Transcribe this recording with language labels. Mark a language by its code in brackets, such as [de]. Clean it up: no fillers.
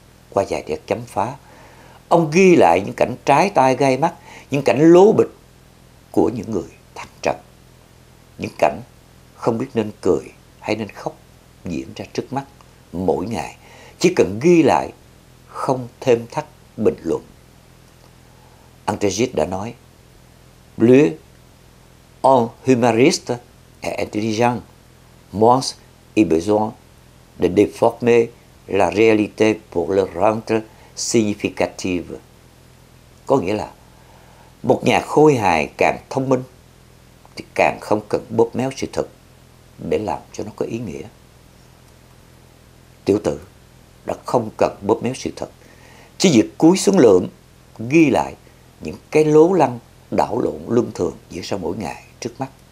[vi] Qua vài đợt chấm phá, ông ghi lại những cảnh trái tai gai mắt, những cảnh lố bịch của những người thăng trầm, những cảnh không biết nên cười hay nên khóc diễn ra trước mắt mỗi ngày. Chỉ cần ghi lại, không thêm thắt bình luận. [fr] Antegis đã nói, plus un humoriste est intelligent, moins il besoin de déformer la réalité pour le rendre significative. [vi] Có nghĩa là một nhà khôi hài càng thông minh thì càng không cần bóp méo sự thật để làm cho nó có ý nghĩa. Tiểu tử đã không cần bóp méo sự thật, chỉ việc cúi xuống lượm ghi lại những cái lố lăng đảo lộn luân thường diễn ra mỗi ngày trước mắt.